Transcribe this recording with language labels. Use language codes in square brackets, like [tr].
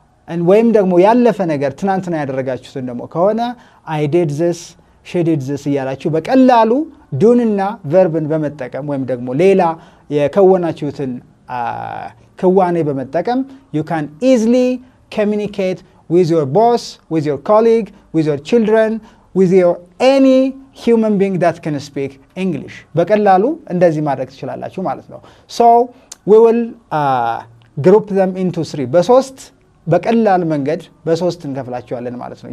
[am] and ወይም ደግሞ ያለፈ ነገር ትናንትና ያደረጋችሁትን ደግሞ ከሆነ [en] I did this, she did this [am] እያላችሁ በቀላሉ ዱንና ቨርብን በመጠቀም ወይም ደግሞ ሌላ የከወናችሁትን ክዋኔ በመጠቀም [en] you can easily communicate with your boss, with your colleague, with your children, with your any human being that can speak English. [am] በቀላሉ እንደዚህ ማድረግ ትችላላችሁ ማለት ነው. [en] So we will group them into three. [am] በሶስት በቀላል መንገድ በሶስት እንከፍላቸዋለን ማለት ነው.